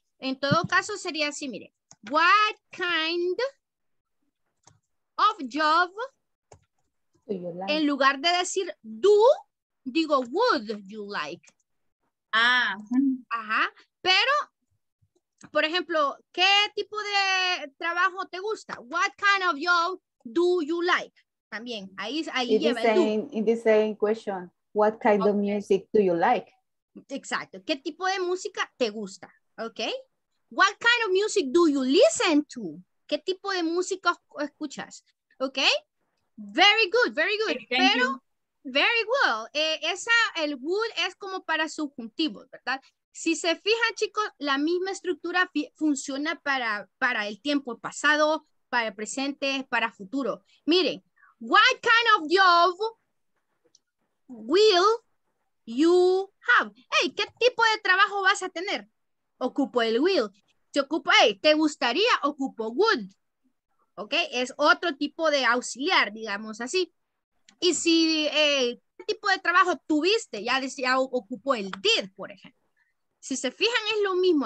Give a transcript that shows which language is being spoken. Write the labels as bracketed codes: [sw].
[es] En todo caso sería así, mire. [en] What kind of job, [es] en lugar de decir do, digo [en] would you like. Ah. Ajá. [es] Pero, por ejemplo, ¿qué tipo de trabajo te gusta? [en] What kind of job do you like? [es] También, ahí lleva el same, do. [en] In the same question, what kind of music do you like? [es] Exacto. ¿Qué tipo de música te gusta? Ok. [en] What kind of music do you listen to? [es] ¿Qué tipo de música escuchas? Ok. [en] Very good, very good. [es] Okay, pero, [en] very well. [es] Esa, el would es como para subjuntivo, ¿verdad? Si se fijan, chicos, la misma estructura funciona para el tiempo pasado, para el presente, para futuro. [en] Miren, what kind of job will you have? [es] Hey, ¿qué tipo de trabajo vas a tener? Ocupo el will. Si ocupo, hey, ¿te gustaría? Ocupo would. ¿Ok? Es otro tipo de auxiliar, digamos así. Y si, ¿qué tipo de trabajo tuviste? Ya decía, ocupo el did, por ejemplo. Si se fijan, es lo mismo.